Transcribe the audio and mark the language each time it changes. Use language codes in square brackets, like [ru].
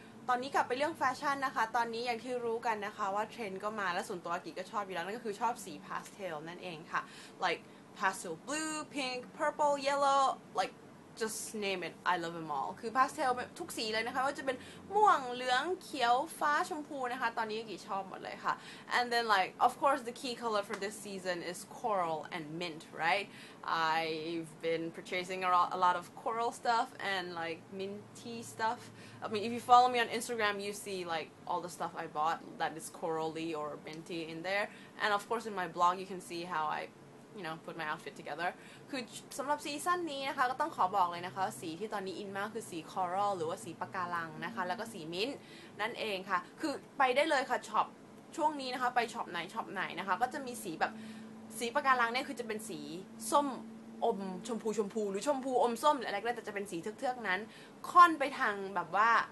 [th] ตอนนี้กลับไปเรื่องแฟชั่นนะคะตอนนี้อย่างที่รู้กันนะคะว่าเทรนด์ก็มาแล้วส่วนตัวอากิก็ชอบอยู่แล้วนั่นก็คือชอบสีพาสเทลนั่นเองค่ะ [en] like pastel blue pink purple yellow likeJust name it. I love them all. [th] คือพาสเทลทุกสีเลยนะคะว่าจะเป็นม่วงเหลืองเขียวฟ้าชมพูนะคะตอนนี้อากิชอบหมดเลยค่ะ [en] And then like of course the key color for this season is coral and mint, right? I've been purchasing a lot of coral stuff and like minty stuff. I mean if you follow me on Instagram, you see like all the stuff I bought that is corally or minty in there. And of course in my blog, you can see how I. You know, put my outfit together. [th] คือสำหรับซีซั่นนี้นะคะก็ต้องขอบอกเลยนะคะสีที่ตอนนี้อินมากคือสีคอรัลหรือว่าสีปะการังนะคะแล้วก็สีมิ้นท์นั่นเองค่ะคือไปได้เลยค่ะช็อปช่วงนี้นะคะไปช็อปไหนนะคะก็จะมีสีแบบสีปะการังเนี่ยคือจะเป็นสีส้มอมชมพูหรือชมพูอมส้มอะไรก็ได้แต่จะเป็นสีเทือกๆนั้นค่อนไปทางแบบว่า